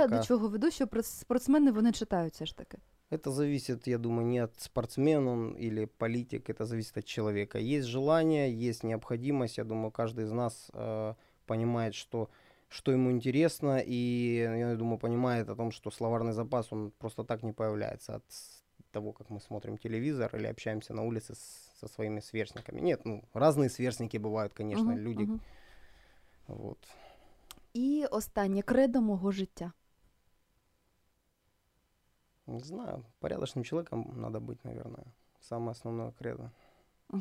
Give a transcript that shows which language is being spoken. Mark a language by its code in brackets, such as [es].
[uk] Я до чого веду, що спортсмени вони читають все ж таки? [ru] Это зависит, я думаю, не от спортсмена или политика, это зависит от человека. Есть желание, есть необходимость. Я думаю, каждый из нас понимает, что ему интересно. И, я думаю, понимает о том, что словарный запас, он просто так не появляется от того, как мы смотрим телевизор или общаемся на улице со своими сверстниками. Нет, ну, разные сверстники бывают, конечно, uh-huh, люди. Uh-huh. Вот. [uk] И останнє кредо мого життя. [ru] Не знаю, порядочным человеком надо быть, наверное. Самое основное кредо. Угу.